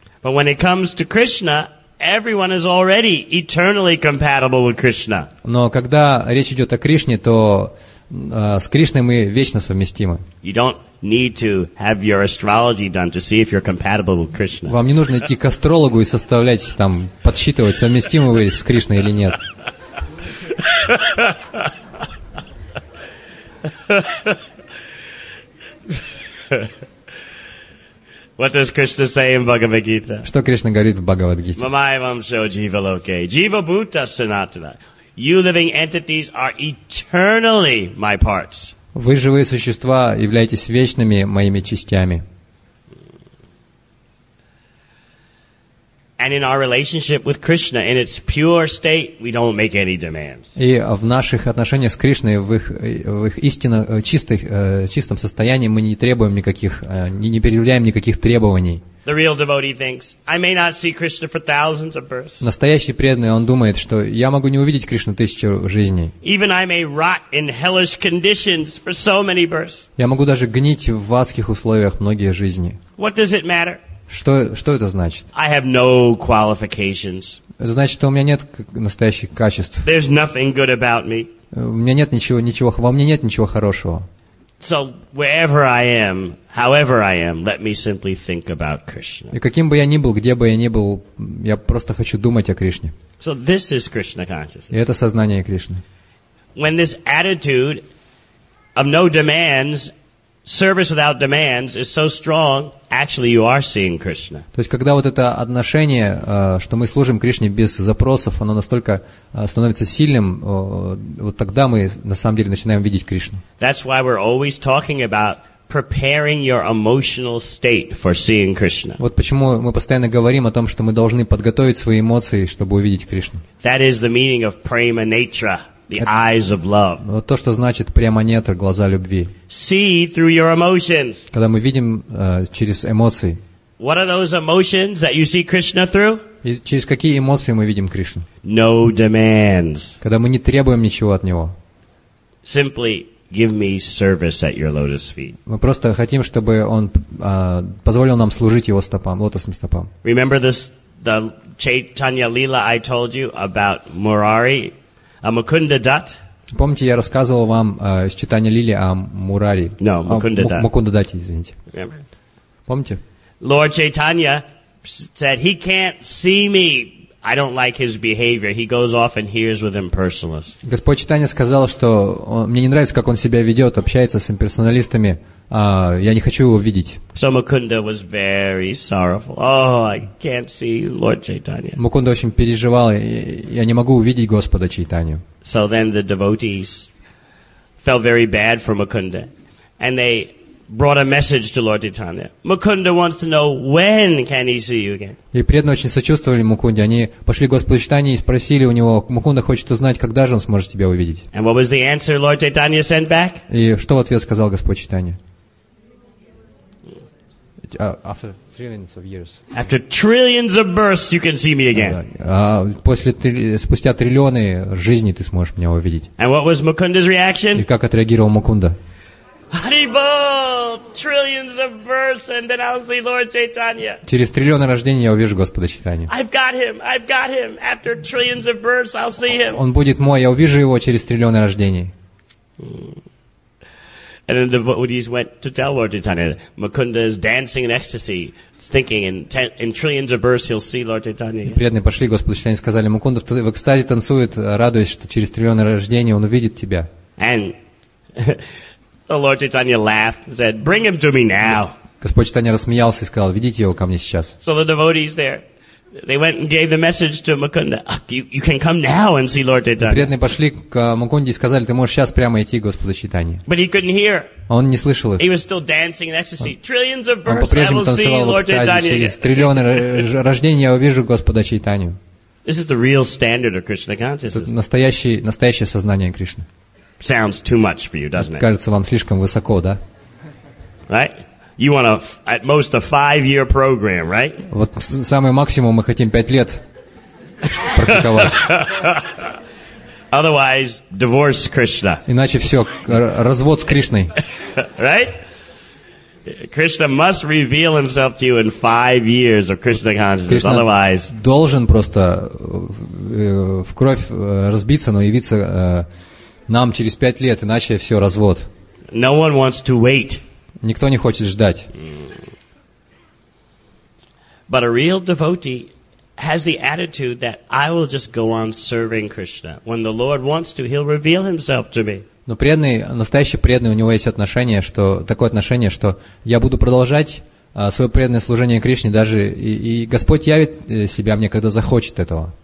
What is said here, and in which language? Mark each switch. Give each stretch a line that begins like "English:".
English: But when it comes to Krishna, everyone is already eternally compatible with Krishna.
Russian: Но когда речь идет о Кришне, то с Кришной мы вечно совместимы.
English: You don't need to have your astrology done to see if you're compatible with Krishna.
Russian: Вам не нужно идти к астрологу и составлять там подсчитывать, совместимы вы с Кришной или нет.
English: What does Krishna say in Bhagavad Gita?
Russian: Что Кришна говорит в Бхагавад Гите?
Sanskrit: Mamayam so jiva loke, jiva bhuta sanatana.
English: You living entities are eternally my parts.
Russian: Вы живые существа являетесь вечными моими частями.
English: And in our relationship with Krishna, in its pure state, we don't make any demands.
Russian: И в наших отношениях с Кришной, в их истинно чистом состоянии, мы не требуем никаких, не предъявляем никаких требований.
English: The real devotee thinks, I may not see Krishna for thousands of births.
Russian: Настоящий преданный, он думает, что я могу не увидеть Кришну тысячу жизней.
English: Even I may rot in hellish conditions for so many births.
Russian: Я могу даже гнить в адских условиях многие жизни.
English: What does it matter?
Russian: Что это значит?
English: I have no qualifications.
Russian: Это значит, что у меня нет настоящих качеств.
English: There's nothing good about me.
Russian: У меня нет ничего, во мне нет ничего хорошего.
English: So wherever I am, however I am, let me simply think about Krishna.
Russian: И каким бы я ни был, где бы я ни был, я просто хочу думать о Кришне.
English: So this is Krishna consciousness.
Russian: И это сознание Кришны.
English: When this attitude of no demands, service without demands, is so strong, actually you are seeing Krishna.
Russian: То есть когда вот это отношение, что мы служим Кришне без запросов, оно настолько становится сильным, вот тогда мы на самом деле начинаем видеть Кришну.
English: That's why we're always talking about preparing your emotional state for seeing Krishna.
Russian: Вот почему мы постоянно говорим о том, что мы должны подготовить свои эмоции, чтобы увидеть Кришну.
English: That is the meaning of prema netra, the eyes of love.
Russian: Вот то, что значит прямо нетр, глаза любви.
English: See through your emotions.
Russian: Когда мы видим через эмоции.
English: What are those emotions that you see Krishna through?
Russian: И через какие эмоции мы видим Кришну?
English: No demands.
Russian: Когда мы не требуем ничего от него.
English: Simply give me service at your lotus feet.
Russian: Мы просто хотим, чтобы он позволил нам служить его стопам, лотосным стопам.
English: Remember this, the Chaitanya Lila I told you about Murari? A Mukunda Dutt.
Russian: Помните, я рассказывал вам из читания Лили о Мурари.
English: No, Mukunda Dutt.
Russian: Mukunda Dutt, извините. Помните?
English: Lord Chaitanya said he can't see me. I don't like his behavior. He goes off and hears with impersonalists.
Russian: Господь Чайтанья сказал, что мне не нравится, как он себя ведет, общается с имперсоналистами. Я не хочу его видеть.
English: So Mukunda was very sorrowful. Oh, I can't see Lord Chaitanya.
Russian: Mukunda очень переживал. Я не могу увидеть Господа Чайтанью.
English: So then the devotees felt very bad for Mukunda, and they brought a message to Lord Chaitanya. Mukunda wants to know when can he see you again.
Russian: И преданные очень сочувствовали Мукунде. Они пошли к Господу Чайтанье и спросили у него: Мукунда хочет узнать, когда же он сможет тебя увидеть.
English: And what was the answer Lord Chaitanya sent back?
Russian: И что в ответ сказал Господь Чайтанье?
English: After trillions of years. After trillions of births, you can see me again.
Russian: Спустя триллионы жизней ты сможешь меня увидеть.
English: And what was Mukunda's reaction?
Russian: И как отреагировал Мукунда?
English: Haribol, trillions of births, and then I'll see Lord Chaitanya.
Russian: Через триллионы рождений я увижу Господа Чайтанью.
English: I've got him. After trillions of births, I'll see him.
Russian: Он будет мой, я увижу его через триллионы рождений.
English: And then the devotees went to tell Lord Chaitanya, Mukunda is dancing in ecstasy, thinking in trillions of births he'll see Lord Chaitanya.
Russian: Преданные пошли к Господу Чайтанье и сказали: Мукунда в экстазе танцует, радуясь, что через триллионы рождений он увидит тебя.
English: And the Lord Chaitanya laughed and said, "Bring him to me now."
Russian: Господь Чайтанья рассмеялся и сказал: "Ведите его ко мне сейчас."
English: So the devotees there, they went and gave the message to Mukunda. You can come now and see Lord Chaitanya.
Russian: Преданные пошли к Мукунде и сказали: "Ты можешь сейчас прямо идти к Господу Чайтанье."
English: But he couldn't hear.
Russian: Он не слышал их.
English: He was still dancing in ecstasy. Trillions of births.
Russian: Он по-прежнему танцевал в экстазе. Через триллионы рождений я увижу Господа Чайтанью.
English: This is the real standard of Krishna consciousness.
Russian: Настоящее сознание Кришны.
English: Sounds too much for you, doesn't it?
Russian: Кажется, вам слишком высоко, да?
English: Right? You want at most a 5-year program, right?
Russian: Вот самый максимум мы хотим 5 лет практиковать.
English: Otherwise, divorce Krishna.
Russian: Иначе все, развод с Кришной.
English: Right? Krishna must reveal himself to you in 5 years of Krishna consciousness. Krishna otherwise,
Russian: должен просто в кровь разбиться, но явиться нам через 5 лет, иначе все развод.
English: No one wants to wait.
Russian: Никто не хочет ждать.
English: But a real devotee has the attitude that I will just go on serving Krishna. When the Lord wants to, he'll reveal himself to me.
Russian: Но преданный, настоящий преданный, у него есть отношение, что такое отношение, что я буду продолжать свое преданное служение Кришне, даже и Господь явит себя мне, когда захочет этого.